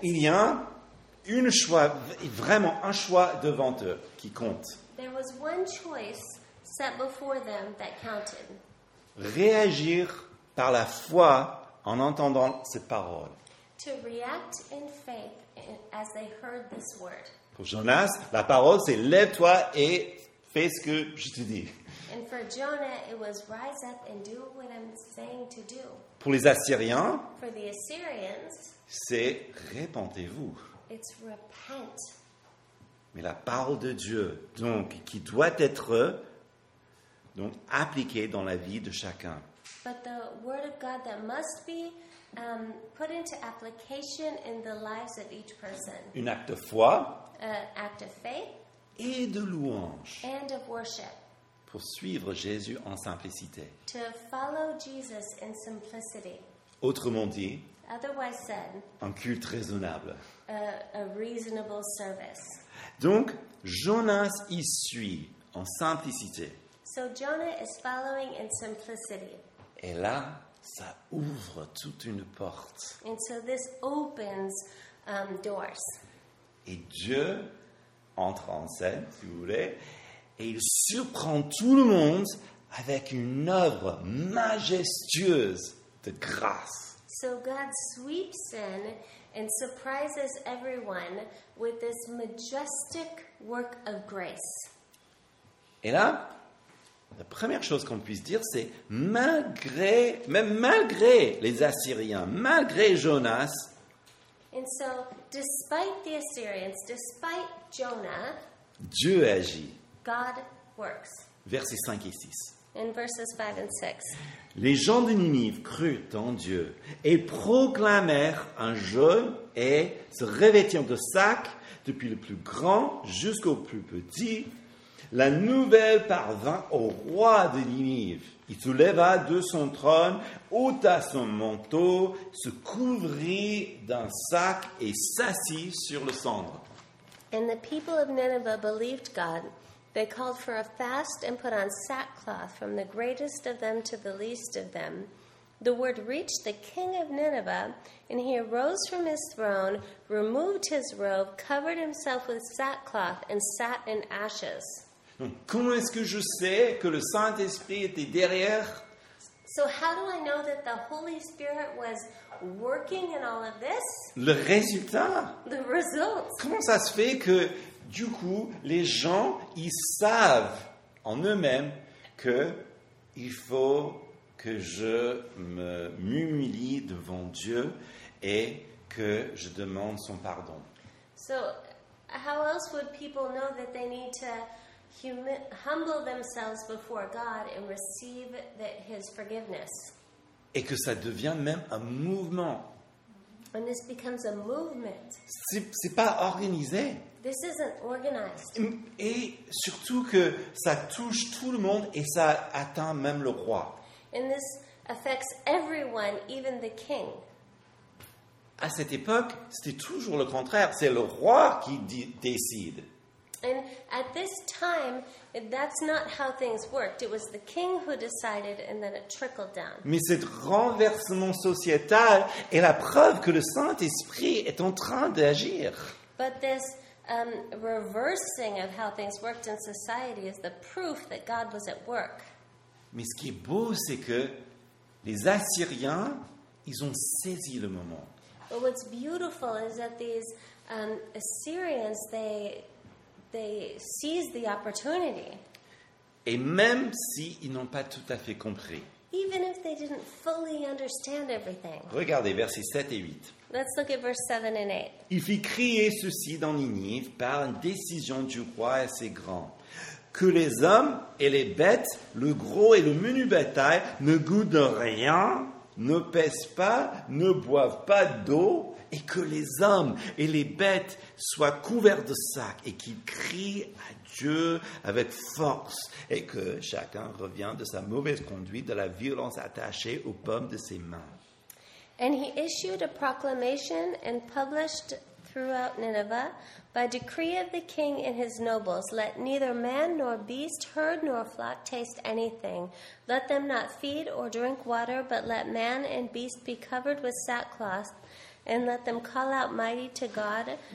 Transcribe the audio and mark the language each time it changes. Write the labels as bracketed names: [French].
[French] il y a un choix, vraiment un choix devant eux qui compte. [English] There was one choice set before them that counted. [French] Réagir par la foi en entendant cette parole. [English] To react in faith as they heard this word. [French] Pour Jonas, la parole c'est « Lève-toi et fais ce que je te dis ». [English] And for Jonah, it was rise up and do what I'm saying to do. [French] Pour les Assyriens, [English] for the Assyrians, [French] c'est repentez-vous. [English] It's repent. [French] Mais la parole de Dieu, donc, qui doit être donc appliquée dans la vie de chacun. [English] But the word of God that must be put into application in the lives of each person. [French] Un acte de foi. [English] An act of faith. [French] Et de louange. [English] And of worship. [French] Pour suivre Jésus en simplicité. [English] To follow Jesus in simplicity. [French] Autrement dit, [English] otherwise said, [French] un culte raisonnable. [English] A reasonable service. [French] Donc, Jonas y suit en simplicité. [English] So Jonah is following in simplicity. [French] Et là, ça ouvre toute une porte. [English] And so this opens, doors. [French] Et Dieu entre en scène, si vous voulez. Et il surprend tout le monde avec une œuvre majestueuse de grâce. [English] So God sweeps in and surprises everyone with this majestic work of grace. [French] Et là, la première chose qu'on puisse dire, c'est malgré les Assyriens, malgré Jonas. [English] And so, despite the Assyrians, despite Jonah, [French] Dieu agit. [English] God works. [French] Versets 5 et 6. [English] In verses 5 and 6. [French] Les gens de Ninive crurent en Dieu et proclamèrent un jeûne et se revêtirent de sacs depuis le plus grand jusqu'au plus petit. La nouvelle parvint au roi de Ninive. Il se leva de son trône, ôta son manteau, se couvrit d'un sac et s'assit sur le cendre. [English] And the people of Nineveh believed God. They called for a fast and put on sackcloth from the greatest of them to the least of them. The word reached the king of Nineveh, and he arose from his throne, removed his robe, covered himself with sackcloth, and sat in ashes. [French] Comment est-ce que je sais que le Saint-Esprit était derrière? [English] So how do I know that the Holy Spirit was working in all of this? [French] Le résultat. [English] The result. [French] Comment ça se fait que du coup, les gens, ils savent en eux-mêmes que il faut que je m'humilie devant Dieu et que je demande son pardon. [English] So, how else would people know that they need to humble themselves before God and receive his forgiveness? [French] Et que ça devient même un mouvement. [English] And this becomes a movement. [French] C'est pas organisé. [English] This isn't organized. [French] Et surtout que ça touche tout le monde et ça atteint même le roi. [English] And this affects everyone, even the king. [French] À cette époque, c'était toujours le contraire. C'est le roi qui décide. [English] And at this time, that's not how things worked. It was the king who decided, and then it trickled down. [French] Mais ce renversement sociétal est la preuve que le Saint-Esprit est en train d'agir. [English] But this reversing of how things worked in society is the proof that God was at work. [French] Mais ce qui est beau, c'est que les Assyriens, ils ont saisi le moment. [English] But what's beautiful is that these Assyrians, they seize the opportunity. [French] Et même s'ils n'ont pas tout à fait compris. [English] Even if they didn't fully understand everything. [French] Regardez versets 7 et 8. [English] Let's look at verse 7 and 8. [French] Il fit crier ceci dans Ninive par une décision du roi et ses grands. Que les hommes et les bêtes, le gros et le menu bétail, ne goûtent rien, ne pèsent pas, ne boivent pas d'eau, et que les hommes et les bêtes soient couverts de sacs, et qu'ils crient à Dieu avec force, et que chacun revient de sa mauvaise conduite, de la violence attachée aux pommes de ses mains. [English] And he issued a proclamation and published throughout Nineveh, by decree of the king and his nobles, let neither man nor beast, herd nor flock taste anything. Let them not feed or drink water, but let man and beast be covered with sackcloth, and let them call out mighty to God.